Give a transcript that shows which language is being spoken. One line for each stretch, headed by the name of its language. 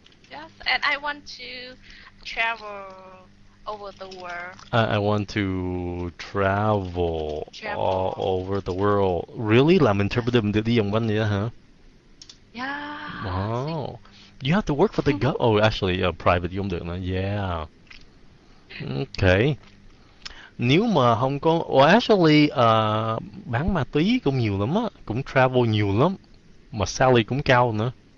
English: Yes, and I want to travel over the world. I want to travel all over the world. Really?
Vietnamese: Làm interpreter mình đi vòng quanh vậy đó, hả?
English: Yeah. Wow. You have to work for the government. Oh, actually, private, you don't do it. Yeah. Okay.
Vietnamese: Nếu mà không có actually bán ma túy cũng nhiều lắm á, cũng travel nhiều lắm mà salary cũng cao nữa.